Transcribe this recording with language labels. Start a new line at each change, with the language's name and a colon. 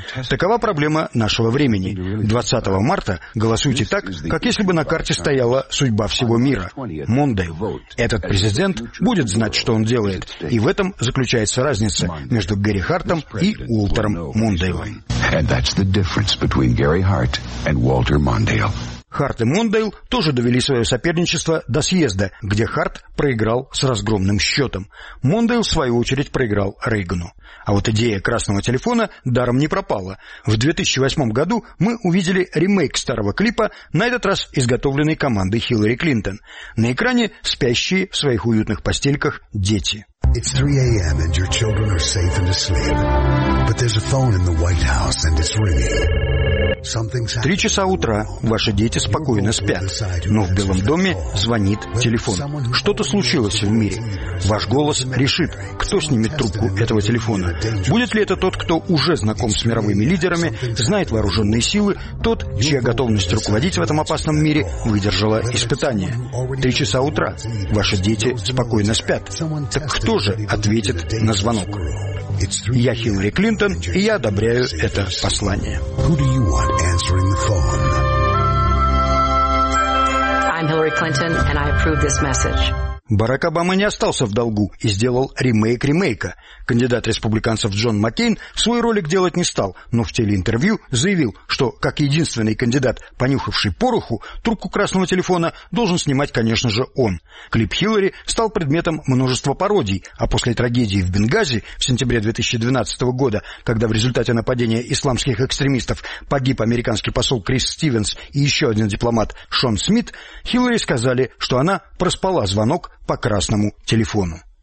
Russian: Такова проблема нашего времени. 20 марта голосуйте так, как если бы на карте стояла судьба всего мира. Мондей. Этот президент будет знать, что он делает, и в этом заключается разница между Гэри Хартом и Уолтером Мондейлом.
English: And that's the difference between Gary Hart and Walter Mondale.
Russian: Харт и Мондейл тоже довели свое соперничество до съезда, где Харт проиграл с разгромным счетом. Мондейл, в свою очередь, проиграл Рейгану. А вот идея красного телефона даром не пропала. В 2008 году мы увидели ремейк старого клипа, на этот раз изготовленный командой Хиллари Клинтон. На экране спящие в своих уютных постельках дети.
English: It's 3 a.m. and your children are safe and asleep. But there's a phone in the White House and it's ringing.
Russian: 3 часа утра, ваши дети спокойно спят, но в Белом доме звонит телефон. Что-то случилось в мире. Ваш голос решит, кто снимет трубку этого телефона. Будет ли это тот, кто уже знаком с мировыми лидерами, знает вооруженные силы, тот, чья готовность руководить в этом опасном мире выдержала испытание. 3 часа утра, ваши дети спокойно спят. Так кто же ответит на звонок? Я Хиллари Клинтон, и я одобряю это послание.
English: Answering the phone. I'm Hillary Clinton, and I approve this message.
Russian: Барак Обама не остался в долгу и сделал ремейк ремейка. Кандидат республиканцев Джон Маккейн свой ролик делать не стал, но в телеинтервью заявил, что, как единственный кандидат, понюхавший пороху, трубку красного телефона должен снимать, конечно же, он. Клип Хиллари стал предметом множества пародий, а после трагедии в Бенгази в сентябре 2012 года, когда в результате нападения исламских экстремистов погиб американский посол Крис Стивенс и еще один дипломат Шон Смит, Хиллари сказали, что она проспала звонок по красному телефону.